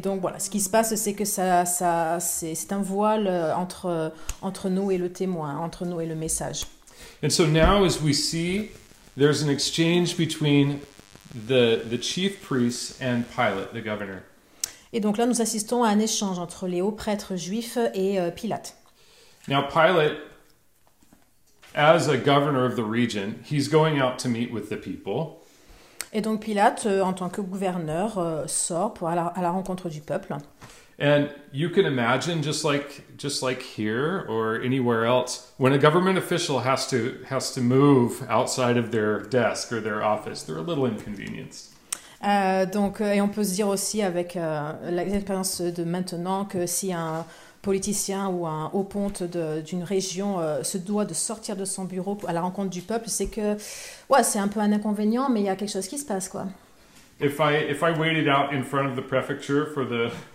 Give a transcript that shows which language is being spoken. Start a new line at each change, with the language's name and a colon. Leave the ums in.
French: donc voilà, ce qui se passe, c'est que ça, ça, c'est un voile entre, entre nous et le témoin, entre nous et le message.
English: And so now, as we see there's an exchange between the, the chief priest and Pilate, the governor.
French: Et donc là, nous assistons à un échange entre les hauts prêtres juifs et euh, Pilate.
English: Now, Pilate, as a governor of the region, he's going out to meet with the people.
French: Et donc Pilate, euh, en tant que gouverneur, euh, sort pour aller à la rencontre du peuple.
English: And you can imagine just like just like here or anywhere else, when a government official has to has to move outside of their desk or their office, they're a little inconvenienced.
French: Uh, donc, et on peut se dire aussi avec uh, l'expérience de maintenant que si un politicien ou un haut ponte d'une région uh, se doit de sortir de son bureau à la rencontre du peuple, c'est que ouais, c'est un peu un inconvénient, mais il y a quelque chose qui se passe. Quoi.
English: If I, if I waited out in front of the prefecture for the...